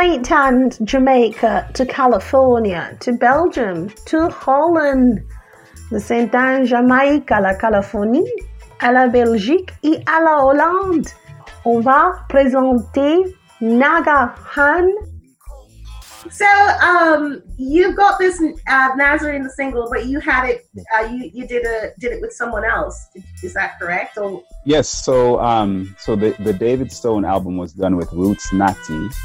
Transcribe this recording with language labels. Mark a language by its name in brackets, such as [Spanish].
[English] And Jamaica to California to Belgium to Holland. [French] Nous sommes en Jamaïque, à la Californie, à la Belgique et à la Hollande. On va présenter Naga Han. [English] So, you've got this Nazarene single, but you had it, you did it with someone else. Is that correct? Or? Yes. So, so the David Stone album was done with Roots Natty.